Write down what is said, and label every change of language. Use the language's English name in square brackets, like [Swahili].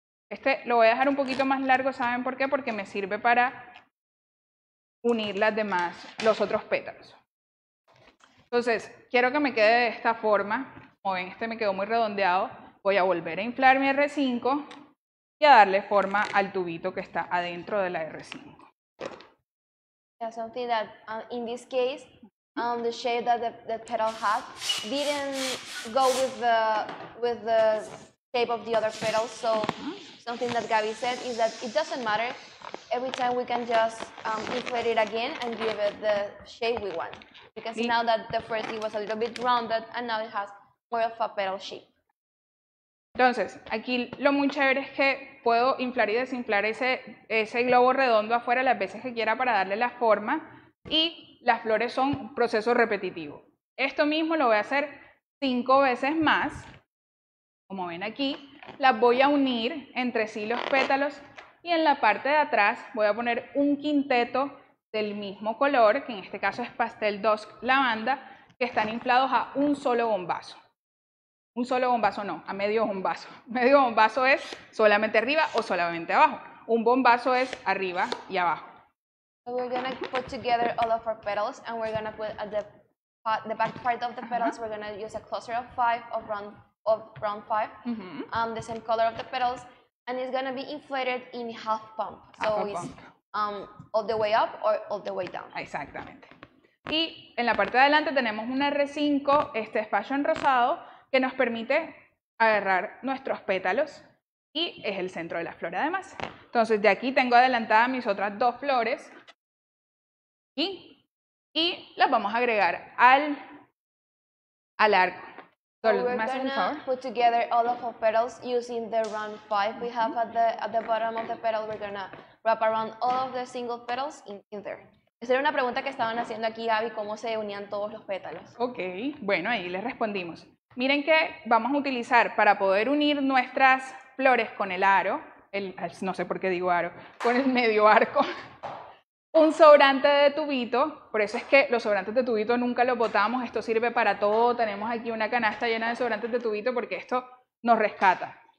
[Spanish] Este lo voy a dejar un poquito más largo, ¿saben por qué? Porque me sirve para unir las demás, los otros pétalos. Entonces, quiero que me quede de esta forma. Como ven, este me quedó muy redondeado. Voy a volver a inflar mi R5 y a darle forma al tubito que está adentro de la R5. [English] That's something that, in this case, the shape that the petal has didn't go with the shape of the other petals. So something that Gaby said is that it doesn't matter. Every time we can just inflate it again and give it the shape we want. You can see now that the first it was a little bit rounded and now it has more of a petal shape. [Spanish] Entonces, aquí lo muy chévere es que puedo inflar y desinflar ese globo redondo afuera las veces que quiera para darle la forma. Y las flores son un proceso repetitivo. Esto mismo lo voy a hacer 5 veces más. Como ven aquí, las voy a unir entre sí los pétalos y en la parte de atrás voy a poner un quinteto del mismo color, que en este caso es Pastel Dusk Lavanda, que están inflados a un solo bombazo. Un solo bombazo no, a medio bombazo. Medio bombazo es solamente arriba o solamente abajo. Un bombazo es arriba y abajo. [English] We're gonna put together all of our petals, and we're gonna put at the back part of the petals. We're gonna use a cluster of 5 of round five, the same color of the petals, and it's gonna be inflated in half pump. So it's all the way up or all the way down. [Spanish] Exactamente. Y en la parte de adelante tenemos un R5, este espacio en rosado que nos permite agarrar nuestros pétalos y es el centro de la flor además. Entonces de aquí tengo adelantadas mis otras 2 flores. Y las vamos a agregar al arco. [English] So we're gonna put together all of our petals using the round 5 we have at the bottom of the petal. We're gonna wrap around all of the single petals in there. [Spanish] Esa era una pregunta que estaban haciendo aquí, Gaby, cómo se unían todos los pétalos. Ok, bueno, ahí les respondimos. Miren que vamos a utilizar para poder unir nuestras flores con el aro, no sé por qué digo aro, con el medio arco. Un sobrante de tubito, por eso es que los sobrantes de tubito nunca los botamos, esto sirve para todo, tenemos aquí una canasta llena de sobrantes de tubito porque esto nos rescata.